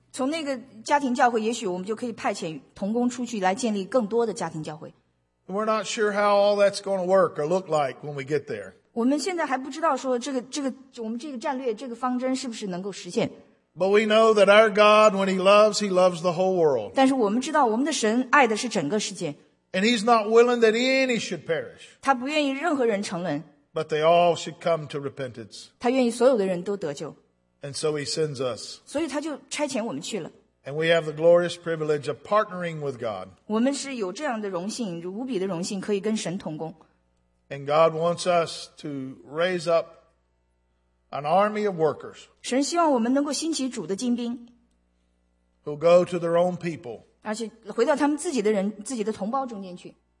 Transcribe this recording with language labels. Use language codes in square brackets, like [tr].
[zh] 从那个家庭教会也许我们就可以派遣同工出去来建立更多的家庭教会。 [en] We're not sure how all that's going to work or look like when we get there. [zh] 我们现在还不知道说这个我们这个战略这个方针是不是能够实现。 [en] But we know that our God, when he loves the whole world. [zh] 但是我们知道我们的神爱的是整个世界。 [en] And he's not willing that any should perish. [zh] 他不愿意任何人沉沦。 [en] But they all should come to repentance. [zh] 他愿意所有的人都得救。 [en] And so he sends us. [zh] 所以他就差遣我们去了。 [en] And we have the glorious privilege of partnering with God. [zh] 我们是有这样的荣幸，无比的荣幸，可以跟神同工。 [en] And God wants us to raise up an army of workers. [zh] 神希望我们能够兴起主的精兵。 [en] Who go to their own people. [zh] 而且回到他们自己的人，自己的同胞中间去。